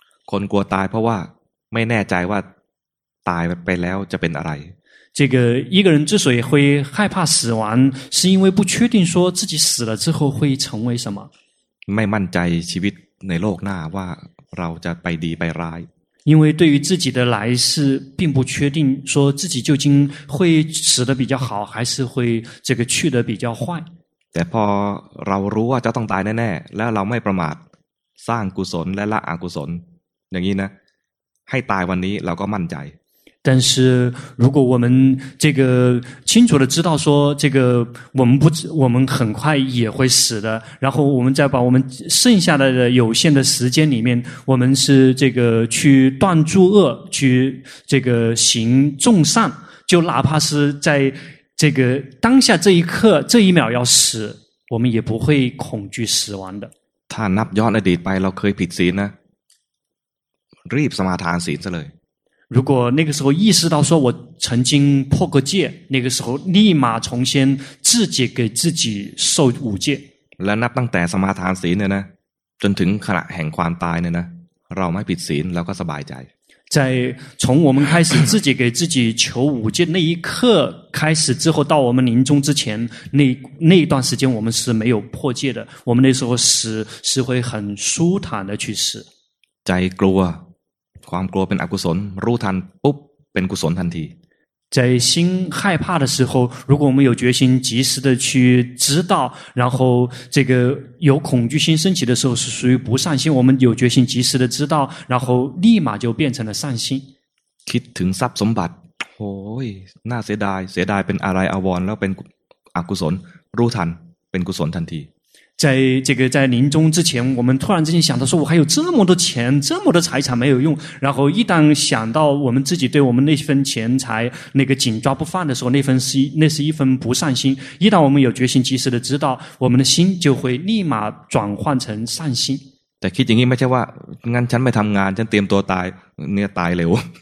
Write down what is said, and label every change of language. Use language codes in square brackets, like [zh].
[th] คนกลัวตายเพราะว่าไม่แน่ใจว่าตายไปแล้วจะเป็นอะไร。 [zh] 这个一个人之所以会害怕死亡，是因为不确定说自己死了之后会成为什么。 [th] ไม่มั่นใจชีวิตในโลกหน้าว่าเราจะไปดีไปร้าย。 [zh] 因为对于自己的来世并不确定说自己究竟会死得比较好还是会这个去得比较坏。 [th] แต่พอเรารู้ว่าจะต้องตายแน่ๆแล้วเราไม่ประมาทสร้างกุศลและละอกุศลอย่างนี้นะให้ตายวันนี้เราก็มั่นใจ。 [zh] 但是如果我们这个清楚的知道说这个我们很快也会死的，然后我们再把我们剩下来的有限的时间里面，我们是这个去断诸恶，去这个行众善，就哪怕是在这个当下这一刻这一秒要死，我们也不会恐惧死亡的。 [th] ถ้านับย้อนอดีตไปเราเคยผิดศีลนะรีบสมาทานศีลซะเลย。 [zh] 如果那个时候意识到说我曾经破过戒，那个时候立马重新自己给自己受五戒。 [th] และนับตั้งแต่สมาทานศีลเนี่ยนะจนถึงขณะแห่งความตายเนี่ยนะเราไม่ผิดศีลแล้วก็สบายใจ。 [zh] 在从我们开始自己给自己求五戒那一刻开始之后，到我们临终之前那一段时间，我们是没有破戒的。我们那时候死是会很舒坦的去死。 [th] ใจกลัวความกลัวเป็นอกุศลรู้ทันปุ๊บเป็นกุศลทันที [zh] 在心害怕的时候如果我们有决心及时的去知道然后这个有恐惧心升起的时候是属于不善心我们有决心及时的知道然后立马就变成了善心 [th] คิดถึงทรัพย์สมบัติโอ้ยน่าเสียดายเสียดายเป็นอะไรอวรแล้วเป็นอกุศลรู้ทันเป็นกุศลทันที [zh] 在这个在临终之前，我们突然之间想到说，我还有这么多钱，这么多财产没有用。然后一旦想到我们自己对我们那份钱财那个紧抓不放的时候，那是一份不善心。一旦我们有决心及时的知道，我们的心就会立马转换成善心。 [th] แต่คิดอย่างนี้ไม่ใช่ว่างั้นฉันไม่ทำงานฉันเตรียมตัวตายเนี่ยตายเร็ว